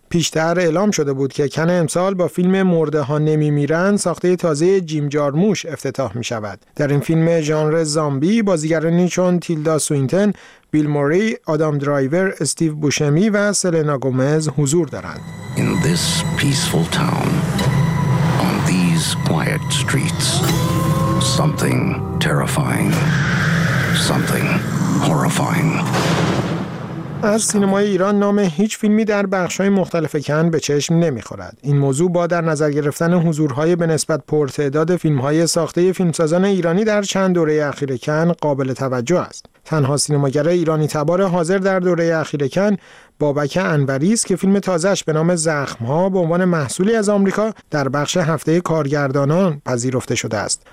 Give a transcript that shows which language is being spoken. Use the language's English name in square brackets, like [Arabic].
[Persian] پیشتر اعلام شده بود که کن امسال با فیلم مرده ها نمی میرند ساخته تازه جیم جارموش افتتاح می شود. در این فیلم ژانر زامبی بازیگرانی چون تیلدا سوینتن، بیل موری، آدام درایور، استیو بوشمی و سلنا گومز حضور دارند. [English] In this peaceful town, on these quiet streets, something terrifying, something horrifying. [Persian] از سینمای ایران نام هیچ فیلمی در بخش‌های مختلف کن به چشم نمی‌خورد. این موضوع با در نظر گرفتن حضورهای به نسبت پرتعداد فیلم‌های ساخته فیلمسازان ایرانی در چند دوره اخیر کن قابل توجه است. تنها سینماگر ایرانی تبار حاضر در دوره اخیر کن بابک انوری است که فیلم تازه‌اش به نام زخم‌ها به عنوان محصولی از آمریکا در بخش هفته کارگردانان پذیرفته شده است.